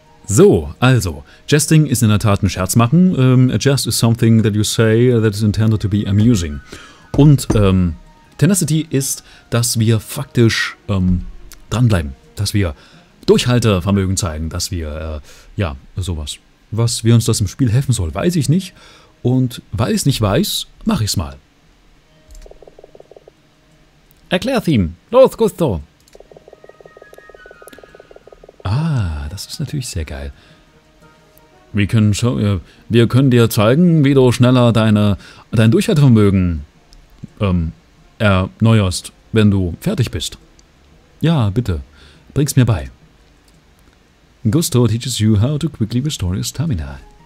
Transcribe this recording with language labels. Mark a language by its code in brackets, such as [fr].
[de] So, also, jesting ist in der Tat ein Scherz machen. [en] A jest is something that you say that is intended to be amusing. [de] Und Tenacity ist, dass wir faktisch dranbleiben, dass wir Durchhaltevermögen zeigen, dass wir, ja, sowas. Was wir uns das im Spiel helfen soll, weiß ich nicht. Und weil ich es nicht weiß, mach ich's mal. Erklär's ihm. Los, Gusto. Das ist natürlich sehr geil. Wir können dir zeigen, wie du schneller dein Durchhaltevermögen erneuerst, wenn du fertig bist. Ja, bitte. Bring's mir bei. [en] Gusto teaches you how to quickly restore your stamina.